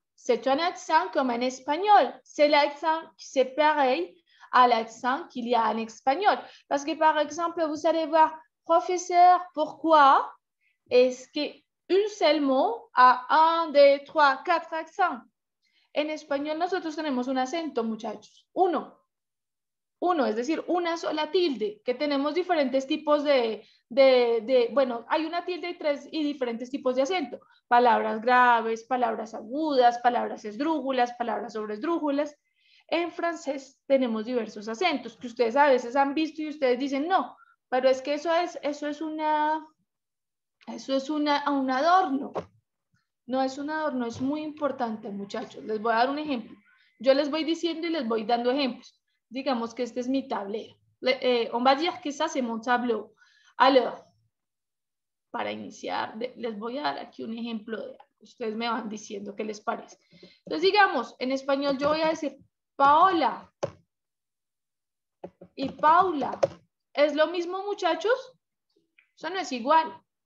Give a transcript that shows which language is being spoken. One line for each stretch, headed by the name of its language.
French: C'est un accent comme en espagnol. C'est l'accent qui est pareil à l'accent qu'il y a en espagnol. Parce que, par exemple, vous allez voir, professeur, pourquoi est-ce qu'un seul mot a un, deux, trois, quatre accents? En espagnol,
Spanish: nosotros tenemos un acento, muchachos. Uno. Uno, es decir, una sola tilde, que tenemos diferentes tipos bueno, hay una tilde y tres y diferentes tipos de acento. Palabras graves, palabras agudas, palabras esdrújulas, palabras sobresdrújulas. En francés tenemos diversos acentos que ustedes a veces han visto y ustedes dicen, no, pero es que eso es un adorno. No es un adorno, es muy importante, muchachos. Les voy a dar un ejemplo. Yo les voy diciendo y les voy dando ejemplos. Digamos que este es mi tablero.
French: On va a decir que ça, c'est mon tableau.
Spanish: Alors, para iniciar, les voy a dar aquí un ejemplo de algo. Ustedes me van diciendo qué les parece. Entonces, digamos, en español yo voy a decir Paola y Paula. ¿Es lo mismo, muchachos? Eso no es igual.